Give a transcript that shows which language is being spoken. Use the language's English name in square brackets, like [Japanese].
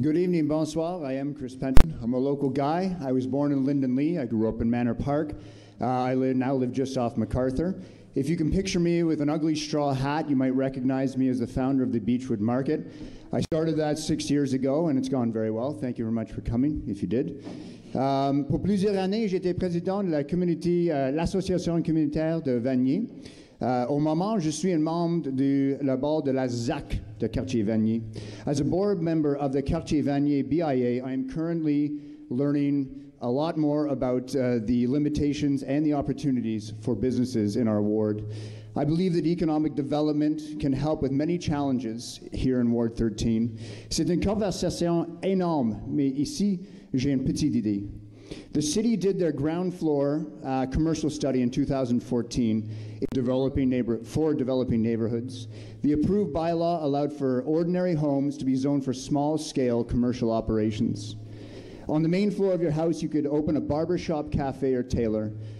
[English] Good evening, [French] bonsoir. [English] I am Chris Penton. I'm a local guy. I was born in Linden Lee. I grew up in Manor Park. I now live just off MacArthur. If you can picture me with an ugly straw hat, you might recognize me as the founder of the Beechwood Market. I started that 6 years ago, and it's gone very well. Thank you very much for coming, if you did. [French] Pour plusieurs années, j'étais président de la communauté, l'association communautaire de Vanier. Au moment, je suis un membre de la board de la ZAC de Cartier-Vanier. [English] As a board member of the Cartier-Vanier BIA, I am currently learning a lot more about the limitations and the opportunities for businesses in our ward. I believe that economic development can help with many challenges here in Ward 13. [French] C'est une conversation énorme, mais ici, j'ai une petite idée. [English] The city did their ground floor commercial study in 2014 for developing neighborhoods. The approved bylaw allowed for ordinary homes to be zoned for small-scale commercial operations. On the main floor of your house, you could open a barbershop, cafe, or tailor.